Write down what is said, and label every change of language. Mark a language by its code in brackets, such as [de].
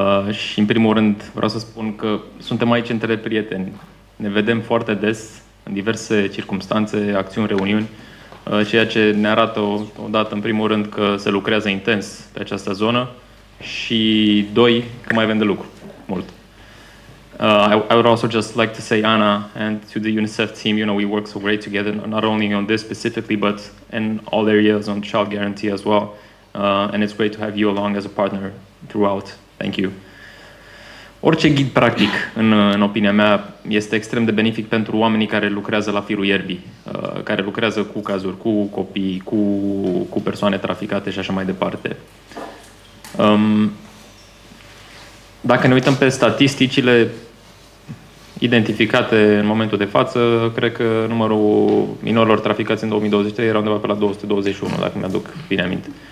[ro] Și în primul rând vreau să spun că suntem aici între prieteni. Ne vedem foarte des în diverse circumstanțe, acțiuni, reuniuni, ceea ce ne arată odată, în primul rând, că se lucrează intens pe această zonă și, doi, că mai avem de lucru, mult. [en] I would also just like to say, Anna, and to the UNICEF team, you know, we work so great together, not only on this specifically, but in all areas, on child guarantee as well, and it's great to have you along as a partner throughout. Thank you. [ro] Orice ghid practic, în opinia mea, este extrem de benefic pentru oamenii care lucrează la firul ierbii, care lucrează cu cazuri, cu copii, cu persoane traficate și așa mai departe. Dacă ne uităm pe statisticile identificate în momentul de față, cred că numărul minorilor traficați în 2023 era undeva pe la 221, dacă mi-aduc bine aminte.